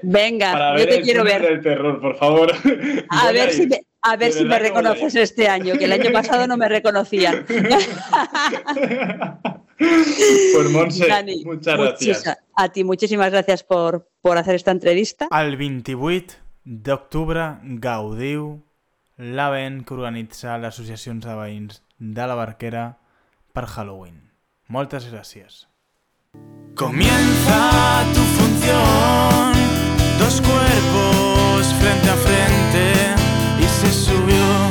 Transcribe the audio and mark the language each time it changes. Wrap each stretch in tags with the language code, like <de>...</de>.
<es>Venga, para ver, yo te quiero ver. El terror, por favor. A ver si me reconoces este año, que el año pasado no me reconocían. Pues Montse, Dani, muchas gracias. A ti, muchísimas gracias por hacer esta entrevista.</es> <ca>Al 28 d'octubre, gaudiu l'event que organitza l'Associació de Veïns de la Barquera per Halloween. Moltes gràcies.</ca> <es>Comienza tu función, dos cuerpos frente a frente y se subió.</es>